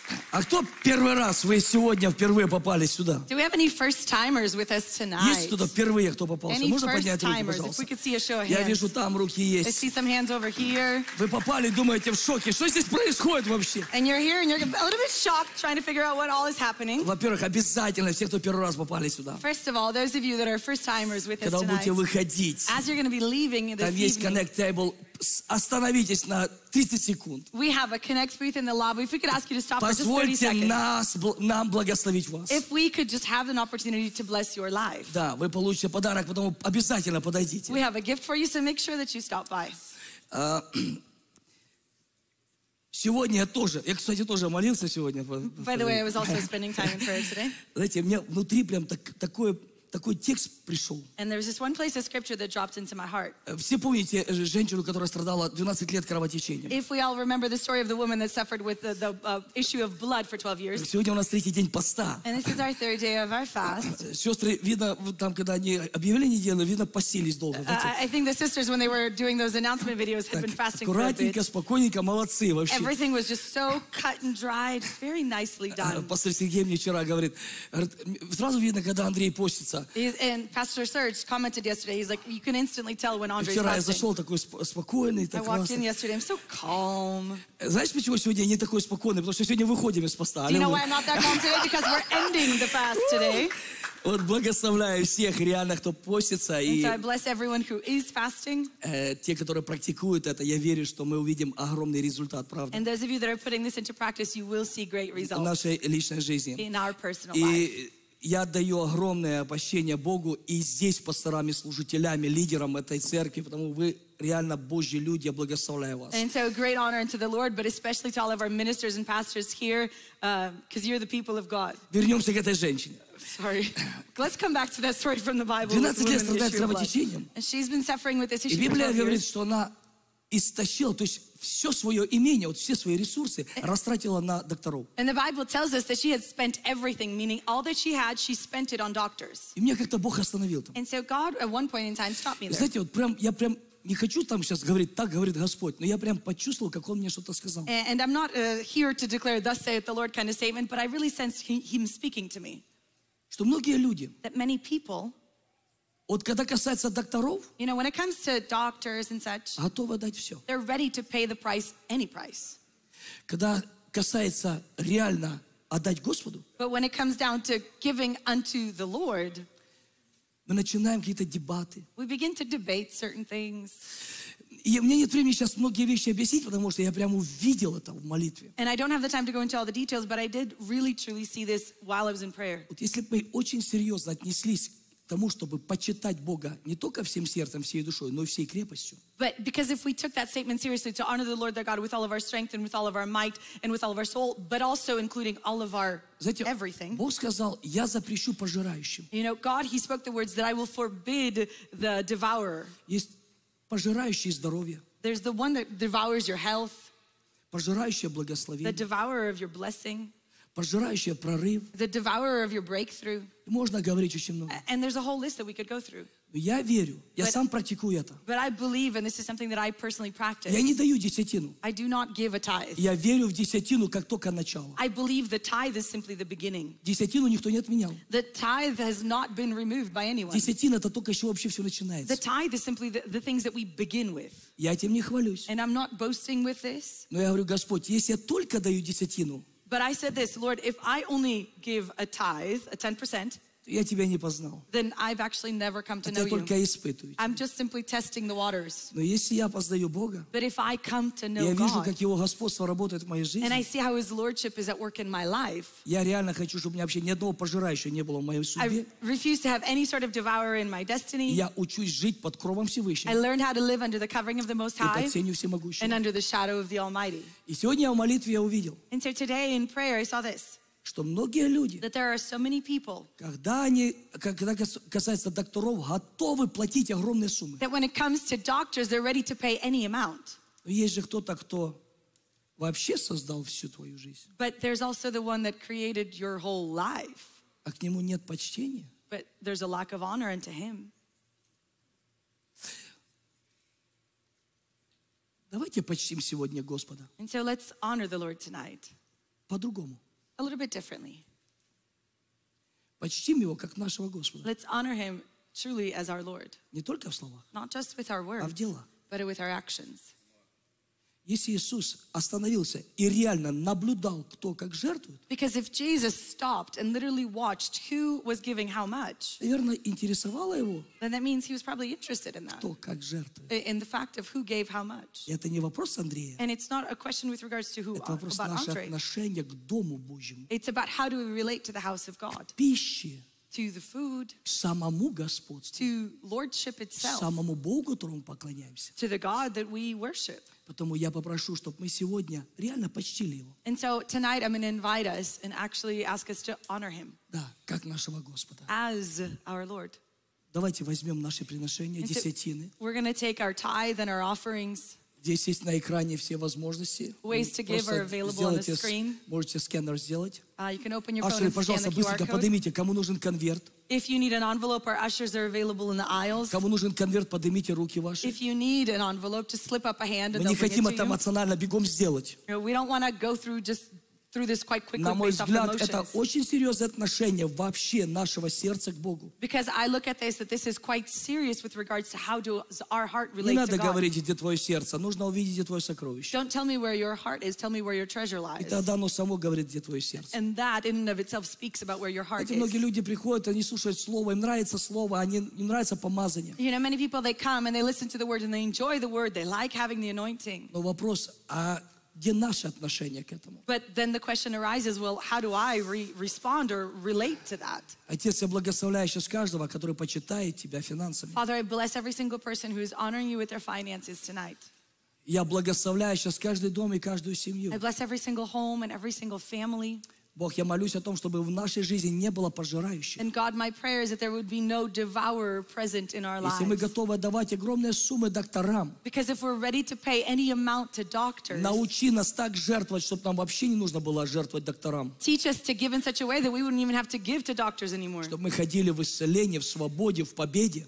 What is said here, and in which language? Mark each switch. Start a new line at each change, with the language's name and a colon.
Russian: А кто первый раз, вы сегодня впервые попали сюда?
English: Do we have any first-timers with us tonight?
Russian: Есть кто-то впервые, кто попался?
English: Any
Russian: Можно поднять руки, пожалуйста?
English: If we could see a show of hands.
Russian: Я вижу, там руки есть.
English: I see some hands over here.
Russian: Вы попали, думаете, в шоке. Что здесь происходит вообще?
English: And you're here, and you're a little bit shocked, trying to figure out what all is happening.
Russian: Во-первых, обязательно, все, кто первый раз попали сюда.
English: First of all, those of you that are first-timers with us tonight.
Russian: Когда будете выходить.
English: As you're going to be leaving this
Russian: там
English: evening.
Russian: Там есть connect table. Остановитесь на 30 секунд.
English: We have a connect booth in the lobby. If we could ask you to stop
Russian: Позвольте
English: for just 30 seconds.
Russian: Позвольте нам благословить вас.
English: If we could just have an opportunity to bless your life.
Russian: Да, вы получите подарок, потому обязательно подойдите.
English: We have a gift for you, so make sure that you stop by.
Russian: Сегодня я тоже, я, кстати, тоже молился сегодня.
English: By the way, I was also spending time in prayer today.
Russian: Знаете, у меня внутри прям такое... Такой текст пришел.
English: And there was this one place of scripture that dropped into my heart.
Russian: Все помните женщину, которая страдала 12 лет кровотечением?
English: If we all remember the story of the woman that suffered with the issue of blood for 12 years.
Russian: Сегодня у нас третий день поста.
English: And this is our third day of our fast.
Russian: Сестры, видно, там, когда они объявили неделю, видно, постились долго.
English: I think the sisters, when they were doing those announcement videos, had been fasting for a bit.
Russian: Аккуратненько, спокойненько, молодцы вообще.
English: Everything was just so cut and dry, just very nicely done.
Russian: Пастор Сергей мне вчера говорит, сразу видно, когда Андрей постится.
English: And Pastor Serge commented yesterday, he's like, you can instantly tell when Andrey's fasting. I walked in yesterday, I'm so calm. Do you know why I'm not that calm today? Because we're ending the fast today.
Russian: Вот благословляю всех, реально, кто постится.
English: And so I bless everyone who is fasting.
Russian: Те, которые практикуют это, я верю, что мы увидим огромный результат, правда.
English: And those of you that are putting this into practice, you will see great results.
Russian: В нашей личной жизни.
English: In our personal life.
Russian: Я даю огромное почтение Богу и здесь пасторами, служителями, лидерам этой церкви, потому вы реально Божьи люди, я благословляю вас.
English: And so great honor unto the Lord, but especially to all of our ministers and pastors here, because you're the people of God.
Russian: Вернемся к этой женщине.
English: Sorry. Let's come back to that story from the Bible.
Russian: 12 лет страдает кровотечением.
English: And she's been suffering with this issue.
Russian: И Библия говорит, что она истощила, то есть все свое имение, вот все свои ресурсы растратила на докторов.
English: And the Bible tells us that she had spent everything, meaning all that she had, she spent it on doctors.
Russian: И меня как-то Бог остановил там.
English: And so God at one point in time stopped me there.
Russian: Знаете, вот прям, я прям не хочу там сейчас говорить, так говорит Господь, но я прям почувствовал, как Он мне что-то сказал.
English: And I'm not here to declare thus saith the Lord kind of statement, but I really sensed Him speaking to me.
Russian: Что многие люди,
English: that many people,
Russian: вот когда касается докторов,
English: you know, when it comes to doctors and such,
Russian: готовы дать все.
English: They're ready to pay the price, any price.
Russian: Когда касается реально отдать Господу,
English: but when it comes down to giving unto the Lord,
Russian: мы начинаем какие-то дебаты.
English: We begin to debate certain things.
Russian: И у меня нет времени сейчас многие вещи объяснить, потому что я прямо увидел это в молитве.
English: And I don't have the time to go into all the details, but I did really truly see this while I was in prayer.
Russian: Вот если бы мы очень серьезно отнеслись к тому, чтобы почитать Бога не только всем сердцем, всей душой, но и всей крепостью.
English: But because if we took that statement seriously, to honor the Lord our God with all of our strength and with all of our might and with all of our soul, but also including all of our everything.
Russian: Бог сказал, я запрещу пожирающим.
English: You know, God, He spoke the words that I will forbid the devourer.
Russian: Есть пожирающие здоровье.
English: There's the one that devours your health.
Russian: Пожирающее благословение.
English: The devourer of your blessing.
Russian: Пожирающее прорыв.
English: The devourer of your breakthrough.
Russian: Можно говорить очень много.
English: And there's a whole list that we could go through.
Russian: Я верю. Я сам практикую это.
English: But I believe, and this is something that I personally practice.
Russian: Я не даю десятину.
English: I do not give a tithe.
Russian: Я верю в десятину, как только начало.
English: I believe the tithe is simply the beginning.
Russian: Десятину никто не отменял.
English: The tithe has not been removed by anyone.
Russian: Десятина — это только еще вообще все начинается.
English: The tithe is simply the things that we begin with.
Russian: Я этим не хвалюсь.
English: And I'm not boasting with this.
Russian: Но я говорю, Господь, если я только даю десятину,
English: but I said this, Lord, if I only give a tithe, a 10%,
Russian: я тебя не познал.
English: Then I've actually never come to
Russian: это
English: know
Russian: я только
English: you.
Russian: Испытываю тебя.
English: I'm just simply testing the waters.
Russian: Но если я познаю Бога,
English: but if I come to know
Russian: я вижу,
English: God,
Russian: как его господство работает в моей жизни,
English: and I see how his lordship is at work in my life,
Russian: я реально хочу, чтобы у меня вообще ни одного пожирающего не было в моей судьбе.
English: I refuse to have any sort of devourer in my destiny.
Russian: Я учусь жить под кровом Всевышнего.
English: I learn how to live under the covering of the Most High.
Russian: И под сенью Всемогущего.
English: And under the shadow of the Almighty.
Russian: И сегодня в молитве я увидел.
English: And so today in prayer I saw this.
Russian: Что многие люди,
English: that there are so many people,
Russian: когда они, когда касается докторов, готовы платить огромные суммы.
English: That when it comes to doctors, they're ready to pay any amount.
Russian: Но есть же кто-то, кто вообще создал всю твою жизнь.
English: But there's also the one that created your whole life.
Russian: А к нему нет почтения.
English: But there's a lack of honor unto him.
Russian: Давайте почтим сегодня Господа.
English: And so let's honor the Lord tonight.
Russian: По-другому.
English: A little bit differently.
Russian: Почтим его как нашего Господа.
English: Let's honor him truly as our Lord.
Russian: Не только в словах.
English: Not just with our words.
Russian: А в делах.
English: But with our actions.
Russian: Если Иисус остановился и реально наблюдал, кто как жертвует.
English: Because if Jesus stopped and literally watched who was giving how much.
Russian: Наверное, интересовало его.
English: Then that means he was probably interested in that.
Russian: Кто как жертвует.
English: In the fact of who gave how much.
Russian: И это не вопрос Андрея.
English: And it's not a question with regards to who.
Russian: Это вопрос наше отношение к дому Божьему.
English: It's about how do we relate to the house of God.
Russian: К пище.
English: To the food.
Russian: К самому господству.
English: To lordship itself.
Russian: К самому Богу, которому поклоняемся.
English: To the God that we worship.
Russian: Потому я попрошу, чтобы мы сегодня реально почтили его.
English: And so tonight I'm going to invite us and actually ask us to honor him.
Russian: Да, как нашего Господа.
English: As our Lord.
Russian: Давайте возьмем наши приношения,
English: and
Russian: десятины.
English: So we're going to take our tithe and our offerings.
Russian: Здесь есть на экране все возможности.
English: Ways to give are available on the screen.
Russian: Можете сканер сделать.
English: You can open your phone and scan the QR code.
Russian: Быстренько поднимите, кому нужен конверт.
English: If you need an envelope, our ushers are available in the aisles.
Russian: Кому нужен конверт, поднимите руки ваши.
English: If you need an envelope, just slip up a hand.
Russian: Мы не хотим это эмоционально бегом сделать.
English: We don't want to go through just through this quite quickly.
Russian: На мой взгляд, это очень серьезное отношение вообще нашего сердца к Богу.
English: Because I look at this, that this is quite serious with regards to how does our heart relate to God.
Russian: Не надо говорить, где твое сердце, нужно увидеть, где твое сокровище.
English: Don't tell me where your heart is, tell me where your treasure lies.
Russian: И тогда оно само говорит, где твое сердце.
English: And that in and of itself speaks about where your heart is.
Russian: Эти многие люди приходят, они слушают слово, им нравится слово, они им нравится помазание.
English: You know, many people they come and they listen to the word and they enjoy the word, they like having the anointing.
Russian: Но вопрос, а где наше отношение к этому?
English: But then the question arises, well, how do I respond or relate to that?
Russian: Отец, я благословляю сейчас каждого, который почитает тебя финансами.
English: Father, I bless every single person who is honoring you with their finances tonight.
Russian: Я благословляю сейчас каждый дом и каждую семью.
English: I bless every single home and every single family.
Russian: Бог, я молюсь о том, чтобы в нашей жизни не было пожирающих.
English: And God, my prayer is that there would be no devourer present in our lives.
Russian: Если мы готовы отдавать огромные суммы докторам,
English: because if we're ready to pay any amount to doctors,
Russian: научи нас так жертвовать, чтобы нам вообще не нужно было жертвовать докторам.
English: Teach us to give in such a way that we wouldn't even have to give to doctors anymore.
Russian: Чтобы мы ходили в исцелении, в свободе, в победе.